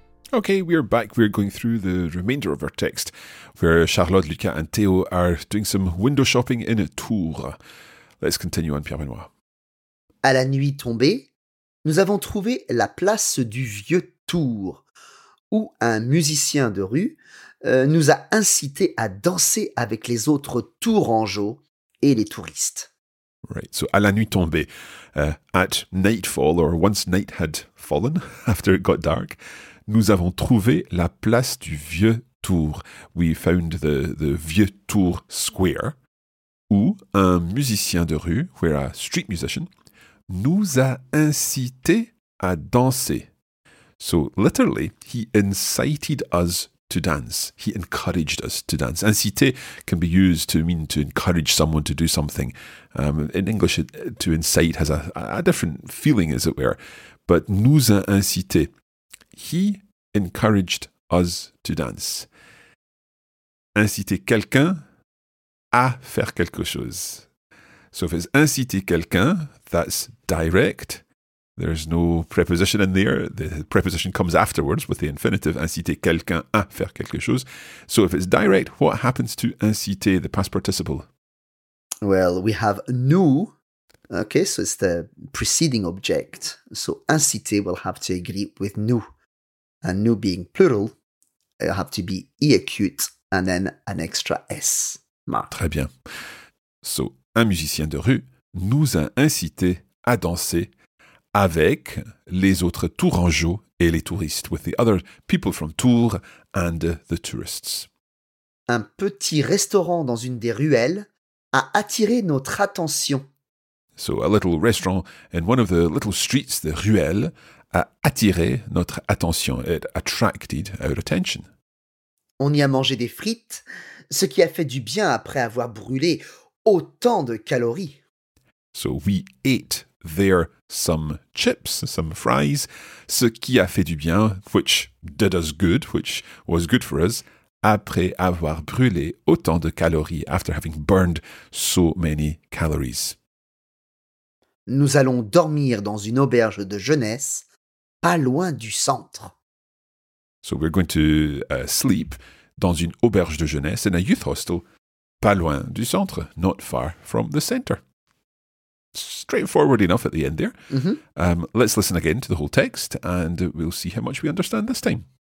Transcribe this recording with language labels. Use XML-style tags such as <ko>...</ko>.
<en>Okay, we're back. We're going through the remainder of our text, where Charlotte, Lucas and Théo are doing some window shopping in Tours. Let's continue on, Pierre Benoît.</en> <fr>À la nuit tombée, nous avons trouvé la place du Vieux Tours, où un musicien de rue nous a incité à danser avec les autres tourangeaux et les touristes.</fr> <en>Right, so</en> <fr>à la nuit tombée,</fr> <en>at nightfall, or once night had fallen, after it got dark,</en> <fr>nous avons trouvé la place du Vieux Tours.</fr> <en>We found the Vieux Tours Square,</en> <fr>où un musicien de rue,</fr> <en>where a street musician,</en> <fr>nous a incité à danser.</fr> <en>So literally, he incited us to dance. He encouraged us to dance. Incité can be used to mean to encourage someone to do something. In English, to incite has a different feeling, as it were. But</en> <fr>nous a incité.</fr> <en>He encouraged us to dance.</en> <fr>Inciter quelqu'un à faire quelque chose.</fr> <en>So if it's</en> <fr>inciter quelqu'un,</fr> <en>that's direct. There's no preposition in there. The preposition comes afterwards with the infinitive,</en> <fr>inciter quelqu'un à faire quelque chose.</fr> <en>So if it's direct, what happens to inciter, the past participle? Well, we have nous. Okay, so it's the preceding object. So inciter will have to agree with nous. And nous being plural, it'll have to be e acute and then an extra s mark.</en> <fr>Très bien. So, un musicien de rue nous a incité à danser avec les autres tourangeaux et les touristes,</fr> <en>with the other people from Tours and the tourists.</en> <fr>Un petit restaurant dans une des ruelles a attiré notre attention.</fr> <en>So, a little restaurant in one of the little streets, the ruelles,</en> <fr>a attiré notre attention.</fr> <en>It attracted our attention.</en> <fr>On y a mangé des frites, ce qui a fait du bien après avoir brûlé autant de calories.</fr> <en>So we ate there some chips, some fries,</en> <fr>ce qui a fait du bien,</fr> <en>which did us good, which was good for us,</en> <fr>après avoir brûlé autant de calories,</fr> <en>after having burned so many calories.</en> <fr>Nous allons dormir dans une auberge de jeunesse pas loin du centre.</fr> <en>So we're going to sleep</en> <fr>dans une auberge de jeunesse,</fr> <en>in a youth hostel,</en> <fr>pas loin du centre,</fr> <en>not far from the centre. Straightforward enough at the end there. Mm-hmm. Let's listen again to the whole text and we'll see how much we understand this time.</en>